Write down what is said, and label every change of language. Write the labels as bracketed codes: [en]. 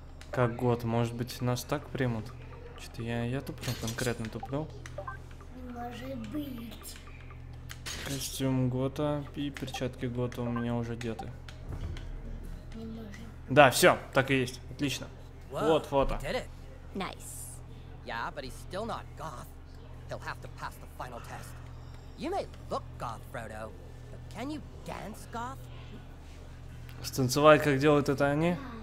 [ru] Как год, может быть, нас так примут? Что-то я туплю, конкретно туплю. Может быть. Костюм Гота и перчатки Гота у меня уже одеты. Не может. Да, все, так и есть, отлично. [en] Whoa, [ru] вот фото. [en] Nice. Yeah, but he's still not goth. He'll have to pass the final test. You may look goth, Frodo, but can you dance goth? [ru] Станцевать, как делают это они?